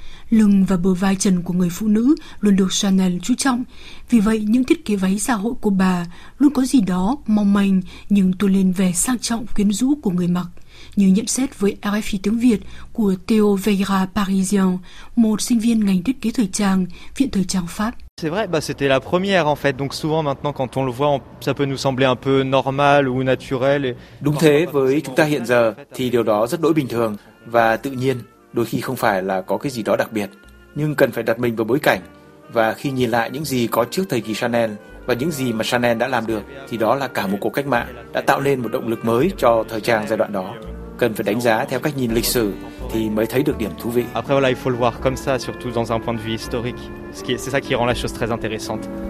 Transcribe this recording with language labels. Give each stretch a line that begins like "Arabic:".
Vietnamese: Lưng và bờ vai trần của người phụ nữ luôn được Chanel chú trọng, vì vậy những thiết kế váy dạ hội của bà luôn có gì đó mong manh nhưng tôn lên vẻ sang trọng quyến rũ của người mặc, như nhận xét với RFI tiếng Việt của Theo Veira Parisien, một sinh viên ngành thiết kế thời trang, Viện Thời trang Pháp.
French: C'est vrai, c'était la première en fait. Donc souvent maintenant quand on le voit, ça peut nous sembler un peu normal ou naturel.
Vietnamese: Đúng thế, với chúng ta hiện giờ thì điều đó rất đỗi bình thường và tự nhiên. Đôi khi không phải là có cái gì đó đặc biệt, nhưng cần phải đặt mình vào bối cảnh. Và khi nhìn lại những gì có trước thời kỳ Chanel và những gì mà Chanel đã làm được, thì đó là cả một cuộc cách mạng đã tạo nên một động lực mới cho thời trang giai đoạn đó. Cần phải đánh giá theo cách nhìn lịch sử thì mới thấy được điểm thú vị.
French: Après voilà, il faut le voir comme ça, surtout dans un point de vue historique. C'est ça qui rend la chose très intéressante.